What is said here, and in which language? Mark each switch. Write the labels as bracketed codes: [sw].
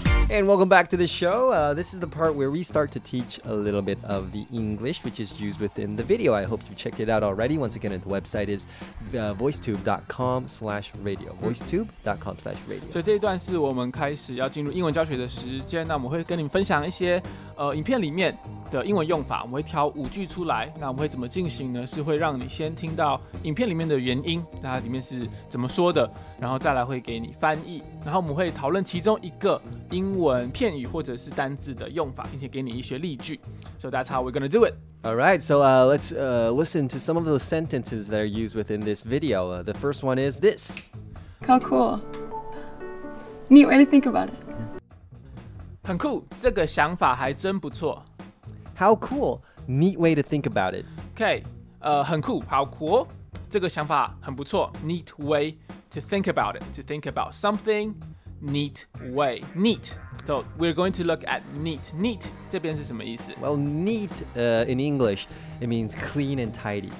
[en] And welcome back to the show. This is the part where we start to teach a little bit of the English, which is used within the video. I hope you checked it out already. Once again, the website is voicetube.com/radio. voicetube.com/radio. [zh] 所以这一段是我们开始要进入英文教学的时间。那我们会跟你分享一些影片里面的英文用法，我们会挑五句出来。那我们会怎么进行呢？是会让你先听到影片里面的原因，那里面是怎么说的，然后再来会给你翻译。然后我们会讨论其中一个英文片语或者是单字的用法, 并且给你一些例句, [en] so that's how we're going to do it. All right, so let's listen to some of the sentences that are used within this video. The first one is this. How cool. Neat way to think about it. [zh] 很酷, 这个想法还真不错. [en] How cool. Neat way to think about it. Okay, [zh] 很酷, [en] how cool. [zh] 这个想法很不错. [en] Neat way to think about it. To think about something. neat way. Neat. So we're going to look at neat. [zh] Neat 这边是什么意思? [en] Well, neat, in English, it means clean and tidy.